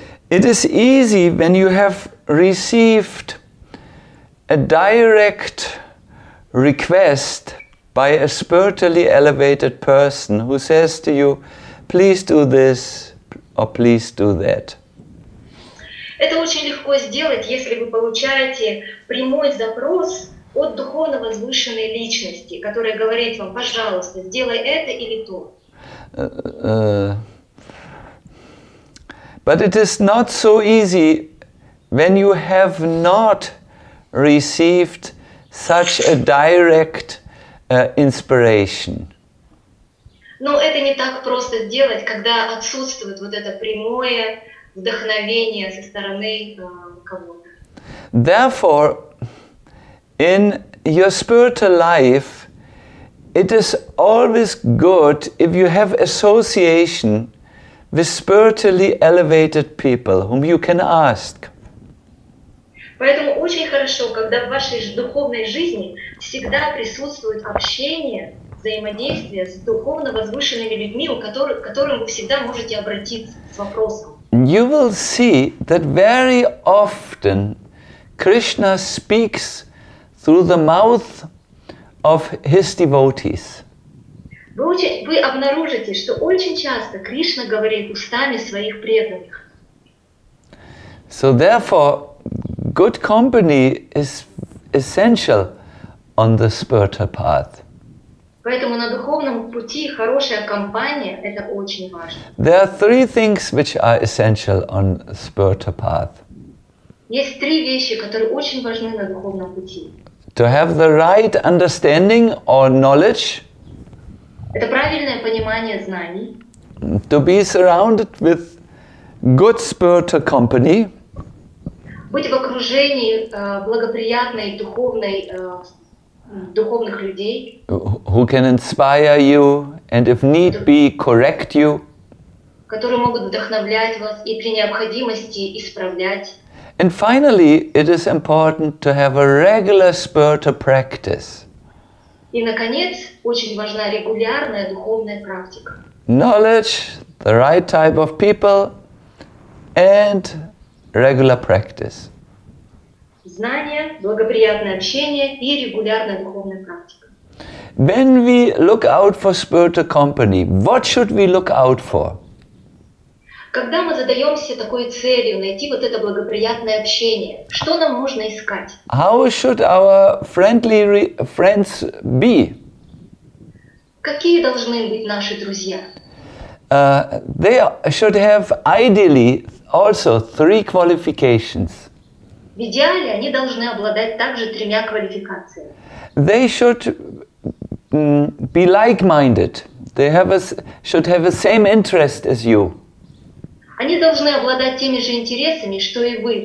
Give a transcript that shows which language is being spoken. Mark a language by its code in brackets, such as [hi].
[en] It is easy when you have received a direct request by a spiritually elevated person who says to you, please do this or please do that. [ru] Это очень легко сделать, если вы получаете прямой запрос от духовно возвышенной личности, которая говорит вам, пожалуйста, сделай это или то. [en] But it is not so easy when you have not received such a direct inspiration. [ru] Но это не так просто сделать, когда отсутствует вот это прямое вдохновение со стороны кого-то. [en] Therefore, in your spiritual life, it is always good if you have association with spiritually elevated people whom you can ask. [ru] Поэтому очень хорошо, когда в вашей духовной жизни всегда присутствует общение, взаимодействие с духовно возвышенными людьми, к которым вы всегда можете обратиться с вопросом. [en] You will see that very often Krishna speaks through the mouth of his devotees. [ru] Вы обнаружите, что очень часто Кришна говорит устами своих преданных. [en] So therefore, good company is essential on the spiritual path. [ru] Поэтому на духовном пути хорошая компания – это очень важно. [en] There are three things which are essential on spiritual path. [ru] Есть три вещи, которые очень важны на духовном пути. [en] To have the right understanding or knowledge. [ru] Это правильное понимание знаний. [en] To be surrounded with good spiritual company. [ru] Быть в окружении благоприятной духовной духовных людей. [en] Who can inspire you and if need be correct you. [ru] Которые могут вдохновлять вас и при необходимости исправлять. [en] And finally, it is important to have a regular spiritual practice. [ru] И, наконец, очень важна регулярная духовная практика. [en] Knowledge, the right type of people, and regular practice. [ru] Знания, благоприятное общение и регулярная духовная практика. [en] When we look out for spiritual company, what should we look out for? [ru] Когда мы задаемся такой целью найти вот это благоприятное общение, что нам нужно искать? [en] How should our friendly friends be? [ru] Какие должны быть наши друзья? [en] They should have ideally also three qualifications. [ru] В идеале они должны обладать также тремя квалификациями. [en] They should be like-minded. They have should have the same interest as you. [ru] Они должны обладать теми же интересами, что и вы.